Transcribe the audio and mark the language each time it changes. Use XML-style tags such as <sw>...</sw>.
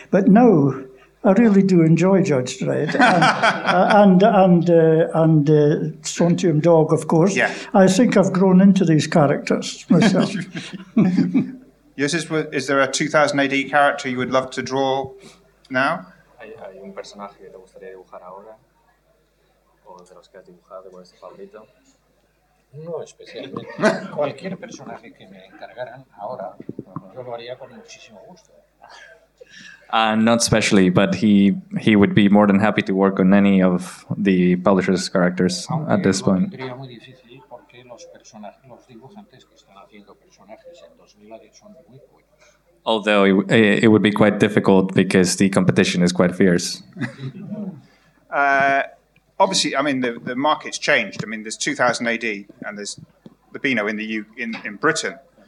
<en>But now, I really do enjoy Judge Dredd. And Strontium Dog, of course. Yeah. I think I've grown into these characters myself. Yes, is there a 2000 AD character you would love to draw now?</en> <es>¿Hay un personaje que te gustaría dibujar ahora? ¿O de los que has dibujado con este Pablito? No, especialmente. Cualquier personaje que me encargaran ahora, yo lo haría con muchísimo gusto.</es> <en>Not especially, but he would be more than happy to work on any of the publisher's characters</en> <es>aunque</es> <en>at this point.</en> <es>Sería muy difícil porque los dibujantes que están haciendo personajes en 2010 son muy buenos.</es> <en>Although it would be quite difficult because the competition is quite fierce. Obviously, I mean, the market's changed. I mean, there's 2000 AD and there's Labino in Britain.</en>